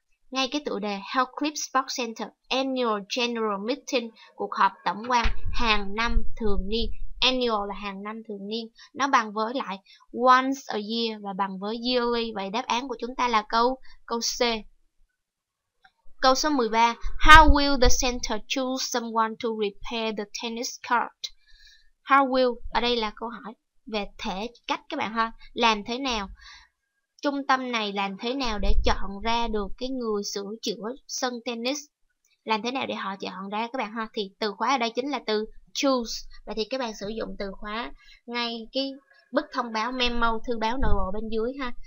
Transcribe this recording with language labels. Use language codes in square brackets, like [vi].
[vi] Ngay cái tựa đề Health Clip Sports Center Annual General Meeting, cuộc họp tổng quan hàng năm thường niên. Annual là hàng năm thường niên, nó bằng với lại once a year và bằng với yearly. Vậy đáp án của chúng ta là câu C. Câu số 13. [en] How will the center choose someone to repair the tennis court? [vi] How will, ở đây là câu hỏi về thể cách các bạn ha. Làm thế nào? Trung tâm này làm thế nào để chọn ra được cái người sửa chữa sân tennis? Làm thế nào để họ chọn ra các bạn ha? Thì từ khóa ở đây chính là từ choose. Vậy thì các bạn sử dụng từ khóa ngay cái bức thông báo memo thư báo nội bộ bên dưới ha.